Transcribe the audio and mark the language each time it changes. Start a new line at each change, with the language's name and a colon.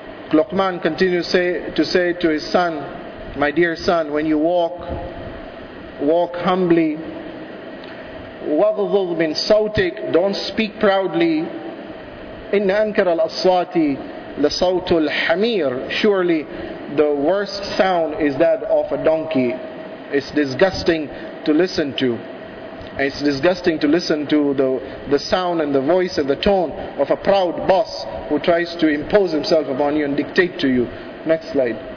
English: Luqman continues to say to his son, my dear son, when you walk, walk humbly.
Arabic: وَغْضُضْ مِنْ صَوْتِكْ.
English: Don't speak proudly.
Arabic: إن أنكر الأصوات لصوت الحمير.
English: Surely the worst sound is that of a donkey. It's disgusting to listen to. It's disgusting to listen to the sound and the voice and the tone of a proud boss who tries to impose himself upon you and dictate to you. Next slide.